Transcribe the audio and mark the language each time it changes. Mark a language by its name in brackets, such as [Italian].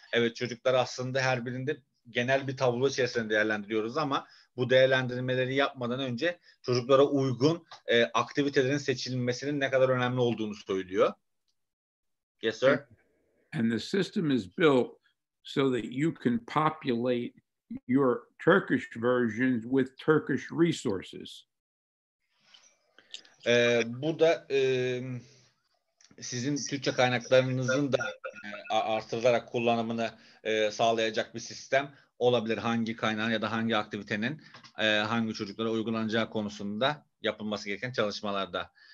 [Turkish] Evet, çocuklar aslında her birinde genel bir tablo içerisinde değerlendiriyoruz ama bu değerlendirmeleri yapmadan önce çocuklara uygun aktivitelerin seçilmesinin ne kadar önemli olduğunu söylüyor. [English] Yes, sir. And the system is built so that you can populate your Turkish versions with Turkish resources. [Turkish] Bu da sizin Türkçe kaynaklarınızın da artırılarak kullanımını sağlayacak bir sistem olabilir hangi kaynağın ya da hangi aktivitenin hangi çocuklara uygulanacağı konusunda yapılması gereken çalışmalarda.